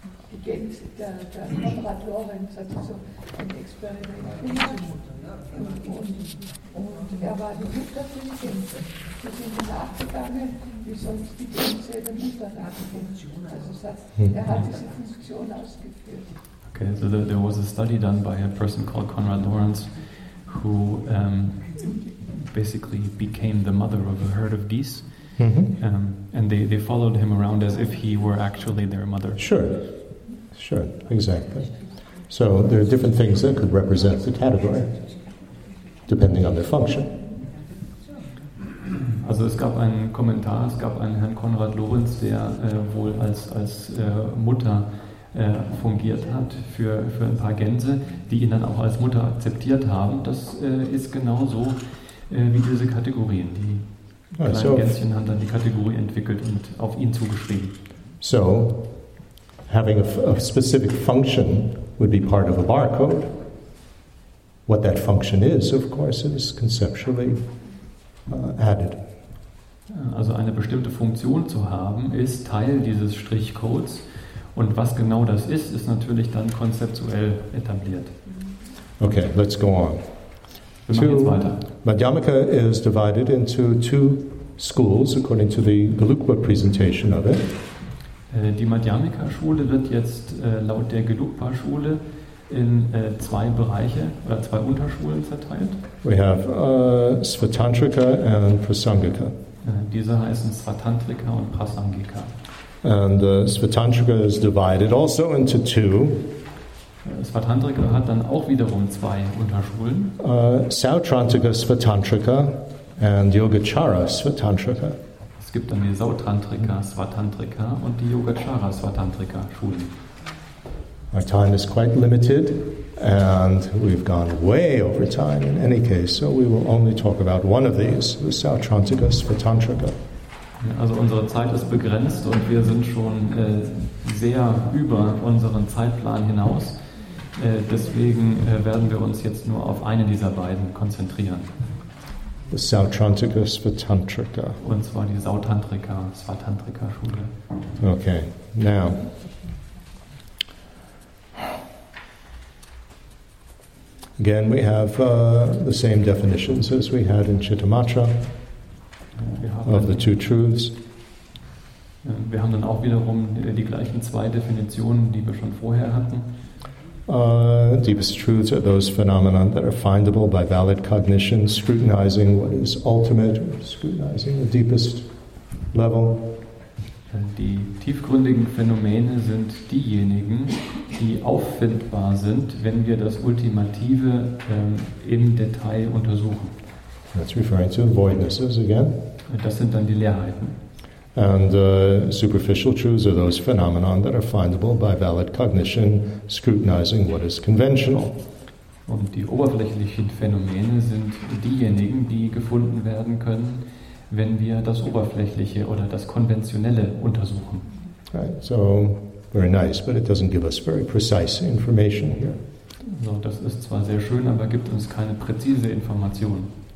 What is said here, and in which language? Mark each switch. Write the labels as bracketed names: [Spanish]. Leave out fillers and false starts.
[German] Die Gänse, der Konrad Lorenz hat so ein Experiment und er war die Mutter für die Gänse. Sie sind nachgegangen, wie sonst die Gänse der Mutter nachgegangen. Also er hat diese Funktion ausgeführt. [English] Okay, so there was a study done by a person called Conrad Lorenz, who basically became the mother of a herd of geese, and they followed him around as if he were actually their mother. Sure, exactly. So there are different things that could represent the category, depending on their function. [German] Also es gab einen Kommentar, es gab einen Herrn Conrad Lorenz, der wohl als Mutter fungiert hat für ein paar Gänse, die ihn dann auch als Mutter akzeptiert haben. Das ist genau so wie diese Kategorien. Die kleinen Gänschen haben dann die Kategorie entwickelt und auf ihn zugeschrieben. [English] So, having a specific function would be part of a barcode. What that function is, of course, is conceptually added. [German] Also eine bestimmte Funktion zu haben, ist Teil dieses Strichcodes. Und was genau das ist, ist natürlich dann konzeptuell etabliert. [English] Okay, let's go on. [German] Wir machen jetzt weiter. [English] Madhyamaka is divided into two schools, according to the Gelugpa presentation of it. [German] Die Madhyamaka-Schule wird jetzt laut der Gelugpa-Schule in zwei Bereiche oder zwei Unterschulen zerteilt. [English] We have Svatantrika and Prasangika. [German] Diese heißen Svatantrika und Prasangika. [English] And Svatantrika is divided also into two. [German] Svatantrika hat dann auch wiederum zwei Unterschulen. [English] Sautrantrika Svatantrika and Yogacara Svatantrika. [German] Es gibt dann die Sautrantrika Svatantrika und die Yogacara Svatantrika Schulen. [English] Our time is quite limited and we've gone way over time in any case, so we will only talk about one of these, the Sautrantrika Svatantrika. [German] Also unsere Zeit ist begrenzt und wir sind schon sehr über unseren Zeitplan hinaus. Deswegen werden wir uns jetzt nur auf eine dieser beiden konzentrieren. [English] The Sautrantrika Svatantrika. [German] Und zwar die Sautantrika Svatantrika Schule. [English] Okay, now. Again we have the same definitions as we had in Chittamatra. Of the two truths. [German] Wir haben dann auch wiederum die gleichen zwei Definitionen, die wir schon vorher hatten. [English] Deepest truths are those phenomena that are findable by valid cognition, scrutinizing what is ultimate, scrutinizing the deepest level. [German] Die tiefgründigen Phänomene sind diejenigen, die auffindbar sind, wenn wir das Ultimative im Detail untersuchen. [English] That's referring to voidnesses again. [German] Das sind dann die Leerheiten. [English] And superficial truths are those phenomena that are findable by valid cognition, scrutinizing what is conventional. [German] Und die oberflächlichen Phänomene sind diejenigen, die gefunden werden können, wenn wir das Oberflächliche oder das Konventionelle untersuchen. [English] Right, so very nice, but it doesn't give us very precise information here. [German] So, das ist zwar sehr schön, aber gibt uns keine präzise Information.